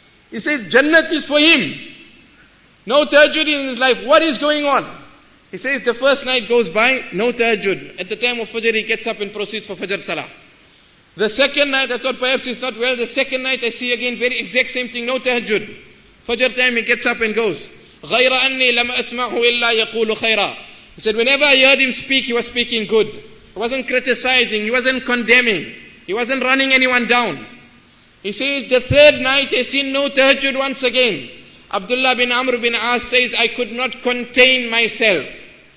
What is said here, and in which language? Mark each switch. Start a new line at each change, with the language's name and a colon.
English: He says, Jannat is for him. No tahajjud in his life, what is going on? He says, the first night goes by, no tahajjud. At the time of fajr, he gets up and proceeds for fajr salah. The second night, I thought perhaps he's not well. The second night, I see again, very exact same thing, no tahajjud. Fajr time, he gets up and goes.
Arabic: غير أني لم أسمعه إلا يقول خيرا.
English: He said, whenever I heard him speak, he was speaking good. He wasn't criticizing, he wasn't condemning. He wasn't running anyone down. He says, the third night I seen no tahajjud once again. Abdullah bin Amr bin As says, I could not contain myself.